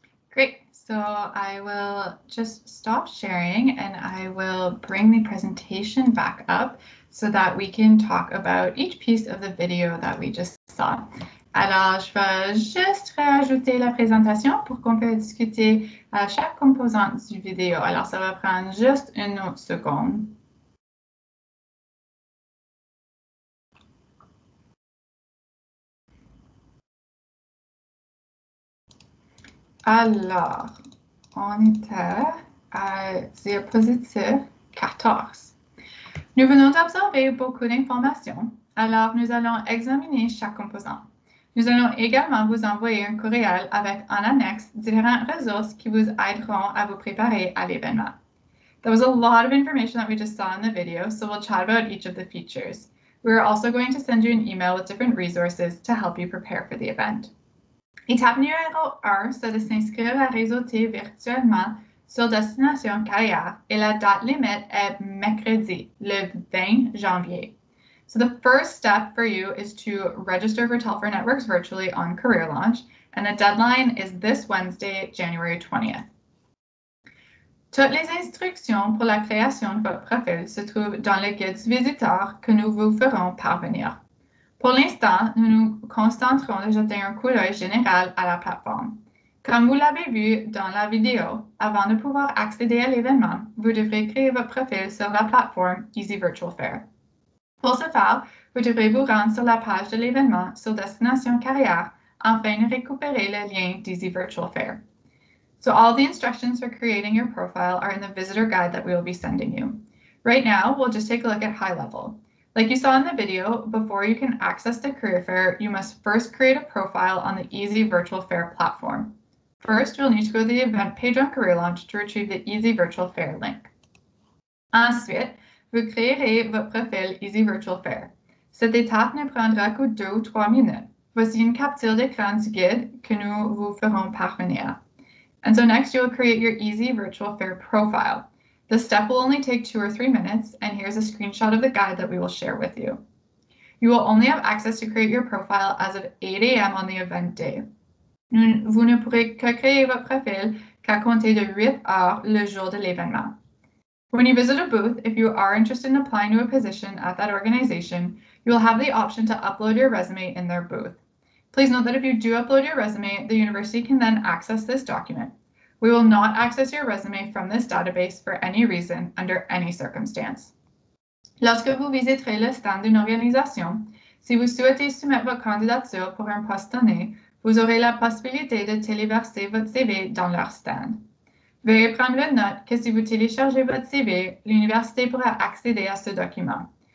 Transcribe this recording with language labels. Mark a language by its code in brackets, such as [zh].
[en] Great. So I will just stop sharing and I will bring the presentation back up so that we can talk about each piece of the video that we just saw. [fr] Alors, je vais juste rajouter la présentation pour qu'on puisse discuter chaque composante du vidéo. Alors, ça va prendre juste une autre seconde. Alors, on était à diapositive 14. Nous venons d'absorber beaucoup d'informations, alors nous allons examiner chaque composant. Nous allons également vous envoyer un courriel avec en annexe différentes ressources qui vous aideront à vous préparer à l'événement. [en] There was a lot of information that we just saw in the video, so we'll chat about each of the features. We are also going to send you an email with different resources to help you prepare for the event. [fr] Étape numéro 1, c'est de s'inscrire à réseauter virtuellement sur Destination Carrière et la date limite est mercredi, le 20 janvier. [en] So the first step for you is to register for Telfer Networks virtually on Career Launch, and the deadline is this Wednesday, January 20th. [fr] Toutes les instructions pour la création de votre profil se trouvent dans le guide visiteur que nous vous ferons parvenir. Pour l'instant, nous nous concentrons de jeter un coup d'œil général à la plateforme. Comme vous l'avez vu dans la vidéo, avant de pouvoir accéder à l'événement, vous devrez créer votre profil sur la plateforme Easy Virtual Fair. Pour ce faire, vous devrez vous rendre sur la page de l'événement sur Destination Carrière afin de récupérer le lien d'Easy Virtual Fair. [en] So all the instructions for creating your profile are in the visitor guide that we will be sending you. Right now, we'll just take a look at high level. Like you saw in the video, before you can access the Career Fair, you must first create a profile on the Easy Virtual Fair platform. First, you'll need to go to the event page on Career Launch to retrieve the Easy Virtual Fair link. [fr] Ensuite, vous créerez votre profil Easy Virtual Fair. Cette étape ne prendra que 2 ou 3 minutes. Voici une capture d'écran du guide que nous vous ferons parvenir. [en] And so next, you'll create your Easy Virtual Fair profile. The step will only take 2 or 3 minutes, and here's a screenshot of the guide that we will share with you. You will only have access to create your profile as of 8 a.m. on the event day. [fr] Vous ne pourrez que créer votre profil qu'à compter de 8 heures le jour de l'événement. [en] When you visit a booth, if you are interested in applying to a position at that organization, you will have the option to upload your resume in their booth. Please note that if you do upload your resume, the university can then access this document. We will not access your resume from this database for any reason, under any circumstance. [fr] Lorsque vous visiterez le stand d'une organisation, si vous souhaitez soumettre votre candidature pour un poste donné, vous aurez la possibilité de téléverser votre CV dans leur stand. Veuillez prendre note que si vous téléchargez votre CV, l'université pourra accéder à ce document.